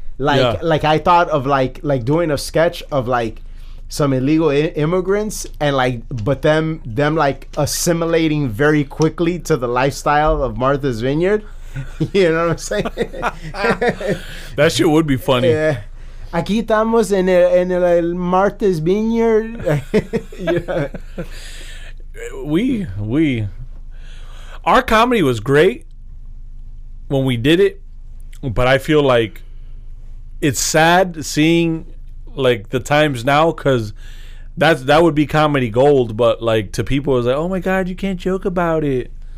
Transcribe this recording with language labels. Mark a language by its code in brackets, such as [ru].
[en] Like I thought of like doing a sketch of like some illegal immigrants and like, but them like assimilating very quickly to the lifestyle of Martha's Vineyard. You know what I'm saying? That shit would be funny. Yeah. [es] Aquí estamos en el Martha's Vineyard. [en] Yeah. We our comedy was great when we did it, but I feel like it's sad seeing like the times now, because that would be comedy gold, but like to people it was like, oh my god, you can't joke about it.